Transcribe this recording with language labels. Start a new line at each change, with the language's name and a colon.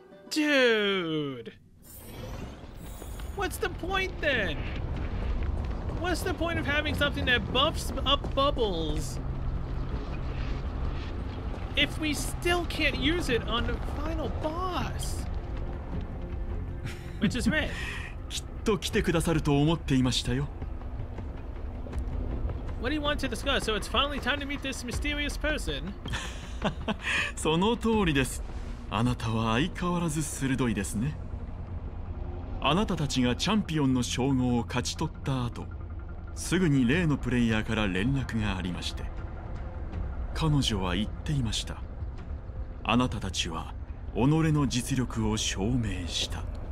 English: Dude! What's the point then? What's the point of having something that buffs up bubbles if we still can't use it on the final boss? Which is red.
Japanese: きっと来てくださると思っていましたよ。
English: What do you want to discuss? So it's finally time to meet this mysterious person.
Japanese: その通りです。あなたは相変わらず鋭いですね。あなたたちがチャンピオンの称号を勝ち取った後、すぐに例のプレイヤーから連絡がありまして。彼女は言っていました。あなたたちは己の実力を証明した。